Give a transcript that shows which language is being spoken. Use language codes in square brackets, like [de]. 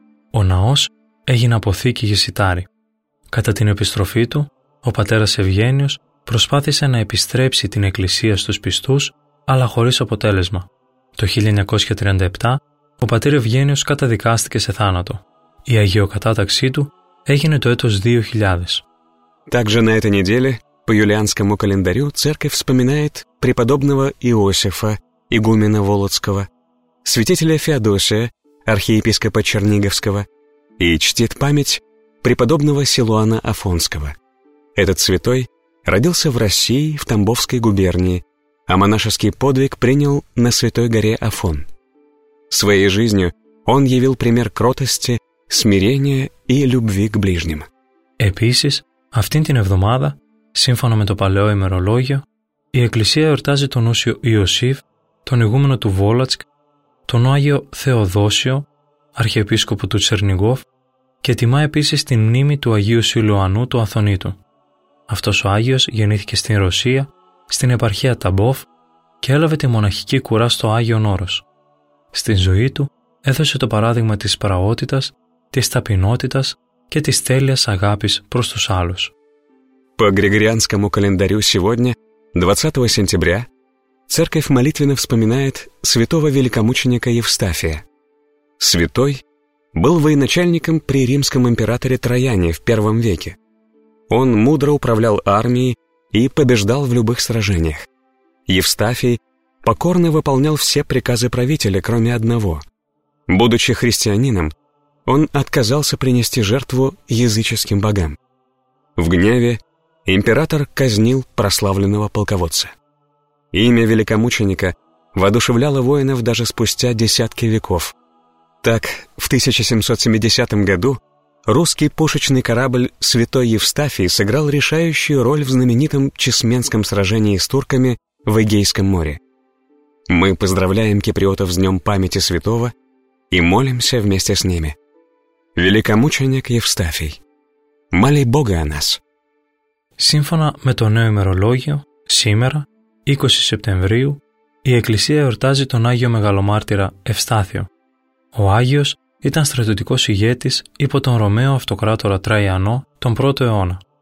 [el] Ο ναός έγινε αποθήκη για σιτάρι. Κατά την επιστροφή του, ο πατέρας Ευγένιος προσπάθησε να επιστρέψει την Εκκλησία στους πιστούς, αλλά χωρίς αποτέλεσμα. Το 1937, ο πατήρ Ευγένιος καταδικάστηκε σε θάνατο. Η αγιοκατάταξή του έγινε το έτος 2000. [ru] Также на этой неделе по юлианскому календарю церковь вспоминает преподобного Иосифа, игумена Володского, святителя Феодосия, архиепископа Черниговского, и чтит память преподобного Силуана Афонского. Этот святой родился в России, в Тамбовской губернии, а монашеский подвиг принял на святой горе Афон. Своей жизнью он явил пример кротости, смирения и любви к ближним. Επίσης, αυτήν την εβδομάδα σύμφωνα με το παλαιό ημερολόγιο, η Εκκλησία εορτάζει τον Ούσιο Ιωσήφ, τον ηγούμενο του Βόλατσκ, τον Άγιο Θεοδόσιο, αρχιεπίσκοπο του Τσερνιγκόφ, και τιμά επίσης την μνήμη του Αγίου Σιλουανού του Αθωνίτου. Αυτός ο Άγιος γεννήθηκε στην Ρωσία, στην επαρχία Ταμπόφ, και έλαβε τη μοναχική κουρά στο Άγιον Όρος. Στην ζωή του έδωσε το παράδειγμα της πραότητας, της ταπεινότητας και της τέλειας αγάπης προς τους άλλους. По Григорианскому календарю сегодня, 20 сентября, церковь молитвенно вспоминает святого великомученика Евстафия. Святой был военачальником при римском императоре Траяне в первом веке. Он мудро управлял армией и побеждал в любых сражениях. Евстафий покорно выполнял все приказы правителя, кроме одного. Будучи христианином, он отказался принести жертву языческим богам. В гневе император казнил прославленного полководца. Имя великомученика воодушевляло воинов даже спустя десятки веков. Так, в 1770 году русский пушечный корабль «Святой Евстафий» сыграл решающую роль в знаменитом Чесменском сражении с турками в Эгейском море. Мы поздравляем киприотов с Днем памяти святого и молимся вместе с ними. Великомученик Евстафий, моли Бога о нас. [el] Σύμφωνα με το νέο ημερολόγιο, σήμερα, 20 Σεπτεμβρίου, η Εκκλησία εορτάζει τον Άγιο Μεγαλομάρτυρα Ευστάθιο. Ο Άγιος ήταν στρατιωτικός ηγέτης υπό τον Ρωμαίο Αυτοκράτορα Τραϊανό τον 1ο αιώνα.